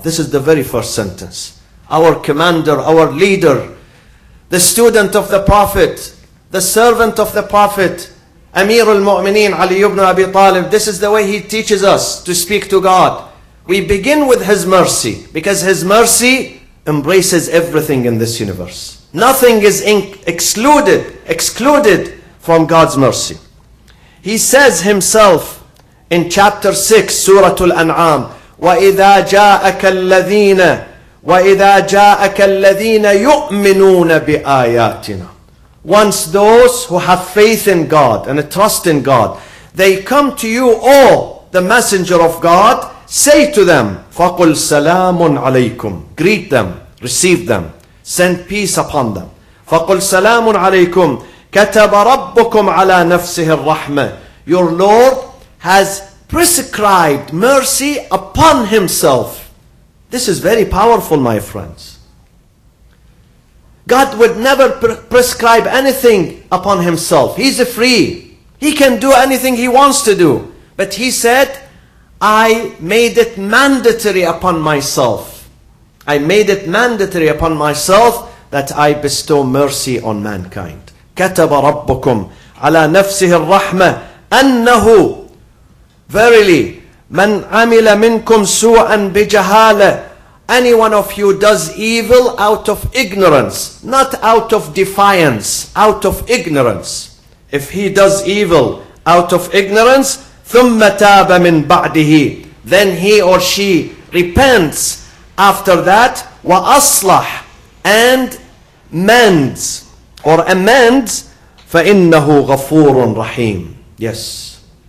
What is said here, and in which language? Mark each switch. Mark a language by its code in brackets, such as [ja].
[en] This is the very first sentence. Our commander, our leader, the student of the Prophet, the servant of the Prophet, Amir al-Mu'mineen Ali ibn Abi Talib, this is the way he teaches us to speak to God. We begin with his mercy, because his mercy embraces everything in this universe. Nothing is excluded from God's mercy. He says himself in chapter 6, Surah Al-An'am, [ar] وَإِذَا جَاءَكَ الَّذِينَ وَإِذَا جَاءَكَ الَّذِينَ يُؤْمِنُونَ بِآيَاتِنَا. [en] Once those who have faith in God and a trust in God, they come to you, O the Messenger of God, say to them, [ar] فَقُلْ سَلَامٌ عَلَيْكُمْ. [en] Greet them, receive them, send peace upon them. [ar] فَقُلْ سَلَامٌ عَلَيْكُمْ كَتَبَ رَبُّكُمْ عَلَى نَفْسِهِ الرَّحْمَةِ. [en] Your Lord has prescribed mercy upon himself. This is very powerful, my friends. God would never prescribe anything upon himself. He's free. He can do anything he wants to do. But he said, I made it mandatory upon myself. I made it mandatory upon myself that I bestow mercy on mankind. [ar] كَتَبَ رَبُّكُمْ عَلَى نَفْسِهِ الرَّحْمَةِ أَنَّهُ. [en] Verily, [ar] مَنْ عَمِلَ مِنْكُمْ سُوءًا بِجَهَالَةِ. [en] Any one of you does evil out of ignorance, not out of defiance, out of ignorance. If he does evil out of ignorance, [ar] ثُمَّ تَابَ مِنْ بَعْدِهِ. [en] Then he or she repents after that, [ar] وَأَصْلَحْ, [en] and mends, or amends, [ar] فَإِنَّهُ غَفُورٌ رَحِيمٌ. [en] Yes.